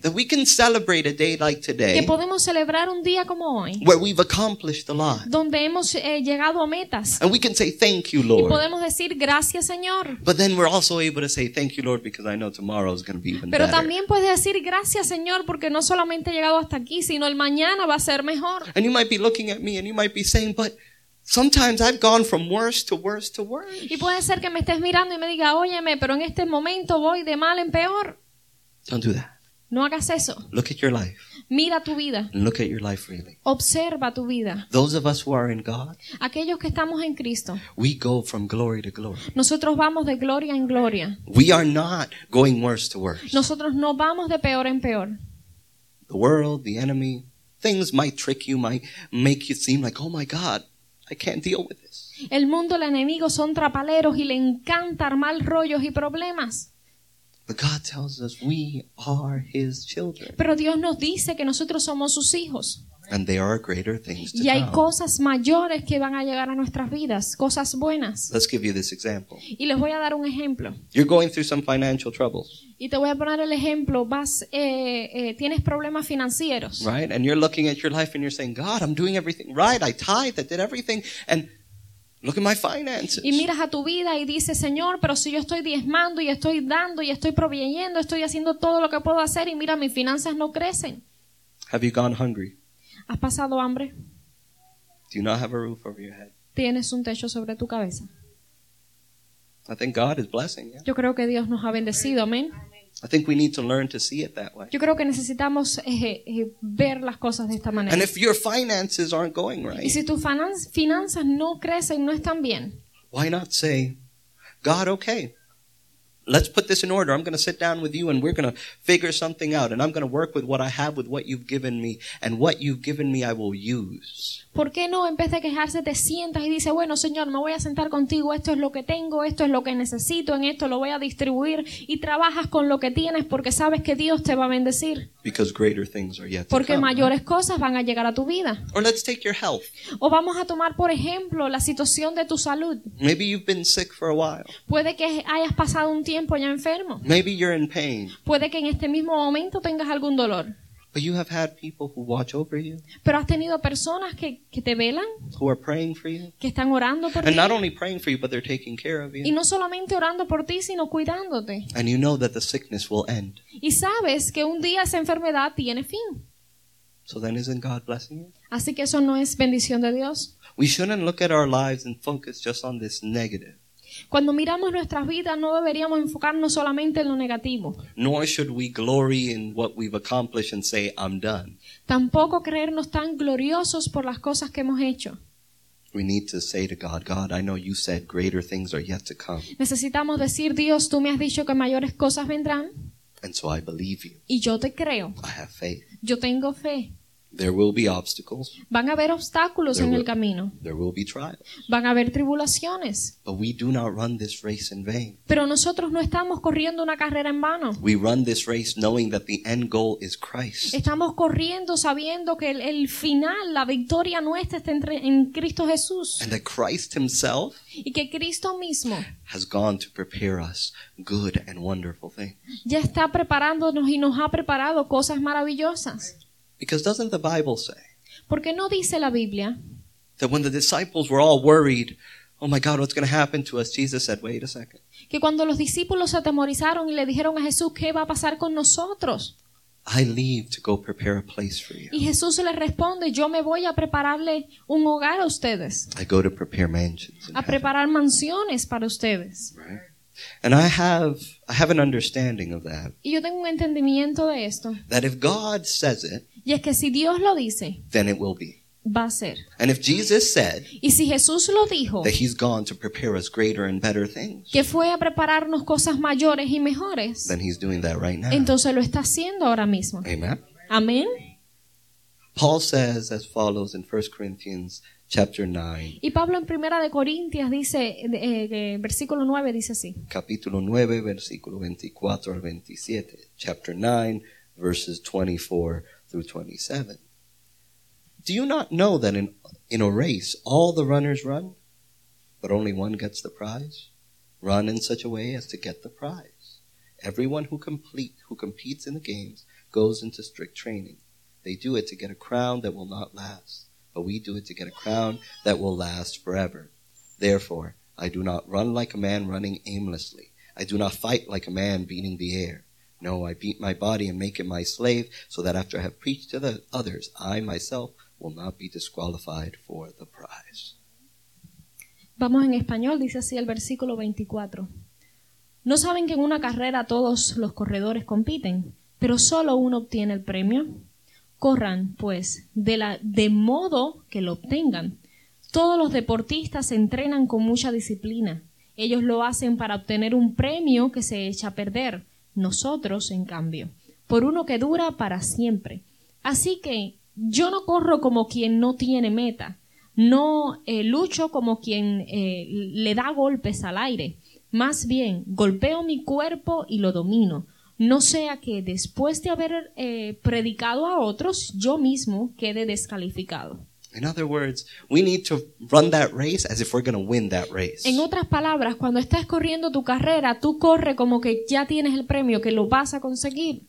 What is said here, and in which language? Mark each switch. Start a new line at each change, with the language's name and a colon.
English: That we can celebrate a day like today.
Spanish: Que podemos celebrar un día como hoy.
English: Where we've accomplished a lot.
Spanish: Donde hemos llegado a metas.
English: And we can say thank you, Lord.
Spanish: Y podemos decir gracias, Señor.
English: But then we're also able to say thank you, Lord, because I know tomorrow is going to be even better.
Spanish: Pero también puedes decir gracias, Señor, porque no solamente he llegado hasta aquí, sino el mañana va a ser mejor.
English: And you might be looking at me and you might be saying, but sometimes I've gone from worse to worse to worse.
Spanish: Y puede ser que me estés mirando y me diga, óyeme, pero en este momento voy de mal en peor.
English: Don't do that.
Spanish: No hagas eso.
English: Look at your life.
Spanish: Mira tu vida.
English: Look at your life really.
Spanish: Observa tu vida.
English: Those of us who are in God.
Spanish: Aquellos que estamos en Cristo.
English: We go from glory to glory.
Spanish: Nosotros vamos de gloria en gloria.
English: We are not going worse to worse.
Spanish: Nosotros no vamos de peor en peor.
English: The world, the enemy, things might trick you, might make you seem like, oh my God, I can't deal with this.
Spanish: El mundo, el enemigo son trapaleros y le encanta armar rollos y problemas.
English: But God tells us we are his children.
Spanish: Pero Dios nos dice que nosotros somos sus hijos.
English: And there are greater things to
Spanish: y hay
English: come.
Spanish: Cosas mayores que van a llegar a nuestras vidas, cosas buenas.
English: Let's give you this example.
Spanish: Y les voy a dar un ejemplo.
English: You're going through some financial troubles.
Spanish: Y te voy a poner el ejemplo, vas tienes problemas financieros.
English: Right? And you're looking at your life and you're saying, God, I'm doing everything right. I tithe, I did everything and look at my finances.
Spanish: Y miras a tu vida y dices, Señor, pero si yo estoy diezmando y estoy dando y estoy proveyendo, estoy haciendo todo lo que puedo hacer y mira, mis finanzas no crecen.
English: Have you gone hungry?
Spanish: ¿Has pasado hambre?
English: Do you not have a roof over your head?
Spanish: ¿Tienes un techo sobre tu cabeza?
English: I think God is blessing you.
Spanish: Yo creo que Dios nos ha bendecido, amén.
English: I think we need to learn to see it that way.
Spanish: Yo creo que necesitamos ver las cosas de esta manera.
English: And if your finances aren't going right,
Spanish: y si tus finanzas no crecen, no están bien,
English: why not say, God, okay, let's put this in order. I'm going to sit down with you and we're going to figure something out. And I'm going to work with what I have, with what you've given me. And what you've given me, I will use.
Spanish: ¿Por qué no, en vez de quejarse, te sientas y dices, bueno, Señor, me voy a sentar contigo. Esto es lo que tengo. Esto es lo que necesito. En esto lo voy a distribuir. Y trabajas con lo que tienes porque sabes que Dios te va a bendecir.
English: Because greater things are yet to come.
Spanish: Porque mayores cosas van a llegar a tu vida.
English: Or let's take your health.
Spanish: O vamos a tomar, por ejemplo, la situación de tu salud.
English: Maybe you've been sick for a while.
Spanish: Puede que hayas pasado un tiempo ya enfermo.
English: Maybe you're in pain.
Spanish: Puede que en este mismo momento tengas algún dolor.
English: But you have had people who watch over you.
Spanish: Pero has tenido personas que te velan.
English: Who are praying for you.
Spanish: Que están orando por ti.
English: And not only praying for you, but they're taking care of you.
Spanish: Y no solamente orando por ti, sino cuidándote.
English: And you know that the sickness will end.
Spanish: Y sabes que un día esa enfermedad tiene fin.
English: So then isn't God blessing you?
Spanish: Así que eso no es bendición de Dios.
English: We shouldn't look at our lives and focus just on this negative.
Spanish: Cuando miramos nuestras vidas, no deberíamos enfocarnos solamente en lo negativo.
English: Nor should we glory in what we've accomplished and say, I'm done.
Spanish: Tampoco creernos tan gloriosos por las cosas que hemos hecho.
English: We need to say to God, God, I know you said greater things are yet to come.
Spanish: Necesitamos decir, Dios, tú me has dicho que mayores cosas vendrán.
English: And so I believe you.
Spanish: Y yo te creo.
English: I have faith.
Spanish: Yo tengo fe.
English: There will be obstacles.
Spanish: Van a haber obstáculos en el camino.
English: There will be trials.
Spanish: Van a haber tribulaciones.
English: But we do not run this race in vain.
Spanish: Pero nosotros no estamos corriendo una carrera en vano.
English: We run this race knowing that the end goal is Christ.
Spanish: Estamos corriendo sabiendo que el final, la victoria nuestra está en Cristo Jesús.
English: And that Christ himself
Spanish: y que Cristo mismo
English: has gone to prepare us good and wonderful things.
Spanish: Ya está preparándonos y nos ha preparado cosas maravillosas.
English: Because doesn't the Bible say,
Spanish: porque no dice la Biblia,
English: that when the disciples were all worried, oh my God, what's going to happen to us? Jesus said, wait a second.
Spanish: Que cuando los discípulos se atemorizaron y le dijeron a Jesús, ¿qué va a pasar con nosotros?
English: I leave to go prepare a place for you.
Spanish: Y Jesús le responde, yo me voy a prepararle un hogar a ustedes.
English: I go to prepare mansions.
Spanish: A preparar mansiones para ustedes.
English: Right. And I have an understanding of that.
Spanish: Y yo tengo un entendimiento de esto.
English: That if God says it,
Spanish: y es que si Dios lo dice,
English: then it will be.
Spanish: Va a ser.
English: And if Jesus said,
Spanish: y si Jesús lo dijo,
English: that he's gone to prepare us greater and better things,
Spanish: que fue a prepararnos cosas mayores y mejores,
English: then he's doing that right now.
Spanish: Entonces lo está haciendo ahora mismo.
English: Amen.
Spanish: Amen.
English: Paul says as follows in 1 Corinthians chapter 9.
Spanish: Y Pablo en Primera de Corintias dice, versículo 9 dice así. Capítulo 9, versículo 24 al 27.
English: Chapter 9, verses 24 through 27. Do you not know that in a race all the runners run, but only one gets the prize? Run in such a way as to get the prize. Everyone who competes in the games goes into strict training. They do it to get a crown that will not last. But we do it to get a crown that will last forever. Therefore, I do not run like a man running aimlessly. I do not fight like a man beating the air. No, I beat my body and make it my slave, so that after I have preached to the others, I myself will not be disqualified for the prize.
Spanish: Vamos en español, dice así el versículo 24. ¿No saben que en una carrera todos los corredores compiten, pero solo uno obtiene el premio? Corran, pues, de modo que lo obtengan. Todos los deportistas se entrenan con mucha disciplina. Ellos lo hacen para obtener un premio que se echa a perder. Nosotros, en cambio, por uno que dura para siempre. Así que yo no corro como quien no tiene meta. No lucho como quien le da golpes al aire. Más bien, golpeo mi cuerpo y lo domino. No sea que después de haber predicado a otros, yo mismo quede descalificado.
English: In other words, we need to run that race as if we're going to win that race.
Spanish: En otras palabras, cuando estás corriendo tu carrera, tú corre como que ya tienes el premio, que lo vas a conseguir.